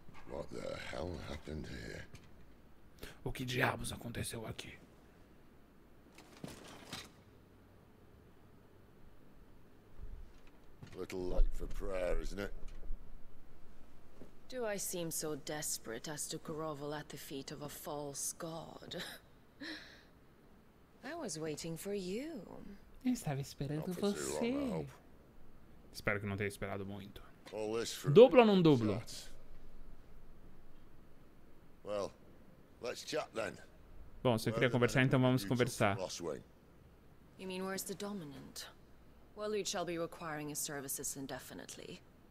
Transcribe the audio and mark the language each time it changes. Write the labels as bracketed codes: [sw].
[en] What the hell happened here? [pt] O que diabos aconteceu aqui? [en] Little light for prayer, isn't it? Do I seem so desperate as to grovel at the feet of a false god? I was waiting for you. [pt] Eu estava esperando você. Espero que não tenha esperado muito. Duplo ou não duplo? [en] Well, let's chat then. [pt] Bom, se eu queria conversar, então vamos conversar. [en] You mean where's the dominant? Well, we shall be requiring his services indefinitely.